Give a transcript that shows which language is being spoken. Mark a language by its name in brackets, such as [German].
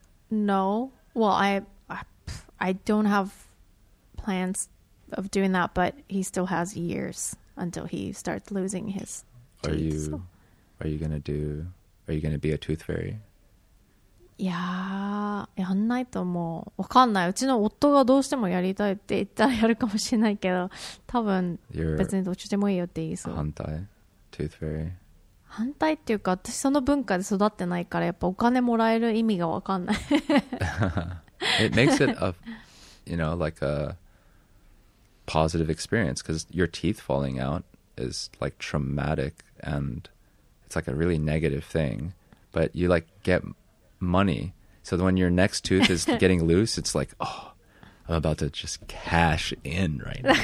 [English] No. Well, I don't have plans of doing that, but he still has years until he starts losing his teeth. Are you going to be a Tooth Fairy? [Japanese] いやー、やんないと思う。わかんない。うちの夫がどうしてもやりたいって言ったらやるかもしれないけど、多分別にどっちでもいいよって言いそう。反対?Tooth Fairy? 反対っていうか、私その文化で育ってないから、やっぱお金もらえる意味がわかんない。 [English] It makes it a, you know, like a positive experience because your teeth falling out is like traumatic and it's like a really negative thing. But you like get money. So when your next tooth is getting loose, it's like, oh, I'm about to just cash in right